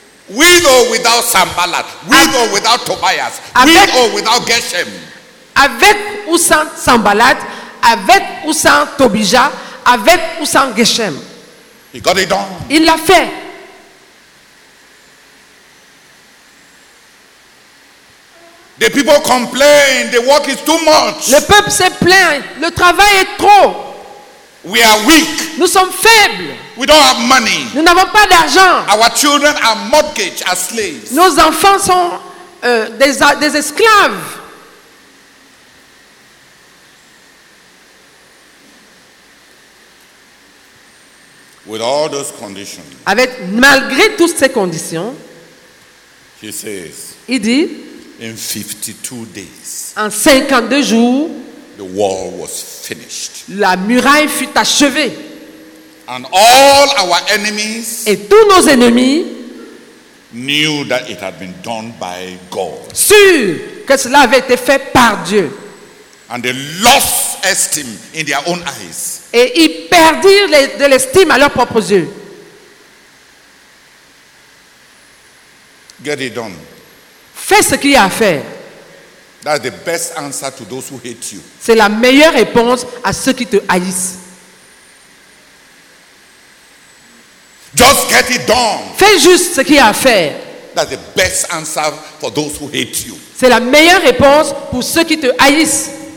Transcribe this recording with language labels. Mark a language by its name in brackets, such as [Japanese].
[English] With or without Sambalat, with or without Tobias, with or without Geshem. [French] Avec ou sans Sambalat, avec ou sans Tobija, avec ou sans Geshem. [English] He got it done. [French] Il l'a fait. [English] The people complain, the work is too much. [French] Le peuple se plaint, le travail est trop. [English] We are weak. [French] Nous sommes faibles. [English] We don't have money. [French] Nous n'avons pas d'argent. [English] Our children are mortgaged as slaves. [French] Nos enfants sont des esclaves. [English] With all those conditions. [French] Avec malgré toutes ces conditions. [English] He says. [French] Il dit. [English] In 52 days. [French] En 52 jours. [English] The wall was finished. [French] La muraille fut achevée. [English] And all our enemies. [French] Et tous nos ennemis. [English] Knew that it had been done by God. [French] Sûr que cela avait été fait par Dieu. [English] And they lost esteem in their own eyes. [French] Et ils perdirent de l'estime à leurs propres yeux. [English] Get it done. [French] Fais ce qu'il y a à faire. [English] That's the best answer to those who hate you. [French] C'est la meilleure réponse à ceux qui te haïssent. [English] Just get it done. [French] Fais juste ce qu'il y a à faire. [English] That's the best answer for those who hate you. [French] C'est la meilleure réponse pour ceux qui te haïssent.